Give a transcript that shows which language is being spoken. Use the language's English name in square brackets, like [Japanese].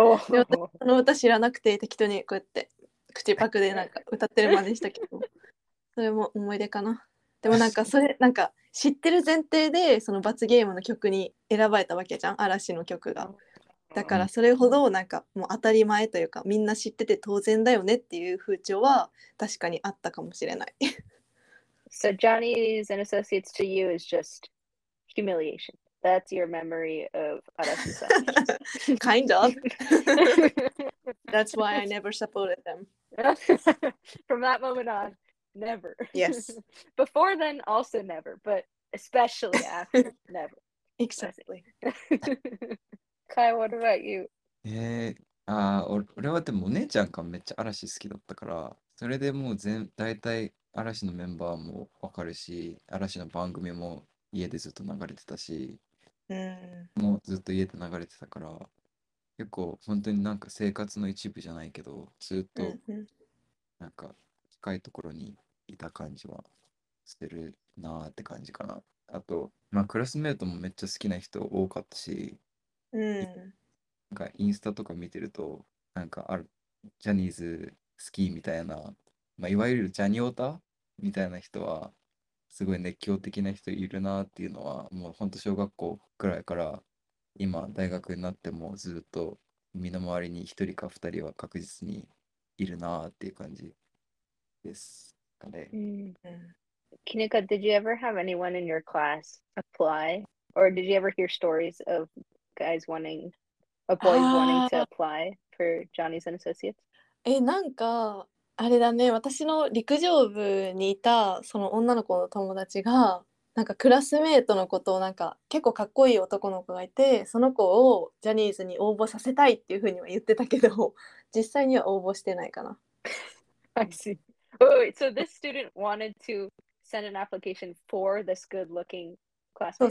[Japanese] で、あの歌知らなくて適当にこうやって口パクでなんか歌ってる真似したけど、それも思い出かな。でもなんかそれなんか知ってる前提でその罰ゲームの曲に選ばれたわけじゃん、嵐の曲が。だからそれほどなんかもう当たり前というか、みんな知ってて当然だよねっていう風潮は確かにあったかもしれない。 [English] So Johnny's and associates to you is just humiliation. That's your memory of Arashi-san. Kind of. That's why I never supported them. From that moment on, never. Yes. Before then, also never. But especially after, never. Exactly. Kai, what about you? I was my sister very much liked Arashi. So I knew all the members of Arashi. And I knew all the programs of Arashi. [Japanese] うん、もうずっと家で流れてたから、結構本当になんか生活の一部じゃないけど、ずっとなんか近いところにいた感じはするなーって感じかな。あと、まあ、クラスメートもめっちゃ好きな人多かったし、うん、なんかインスタとか見てるとなんかあるジャニーズ好きみたいな、まあ、いわゆるジャニオタみたいな人はすごい熱狂的な人いるなっていうのは、もうほんと小学校くらいから今大学になってもずっと身の回りに一人か二人は確実にいるなっていう感じですかね。 [English] Kinika, did you ever have anyone in your class apply? Or did you ever hear stories of guys wanting, of boys wanting to apply for Johnny's and Associates? [Japanese] なんかあれだね、私の陸上部にいたその女の子の友達がなんかクラスメートのことをなんか結構かっこいい男の子がいて、その子をジャニーズに応募させたいっていうふうには言ってたけど、実際には応募してないかな。 [English] I see. Wait, wait, so this student wanted to send an application for this good looking classmate?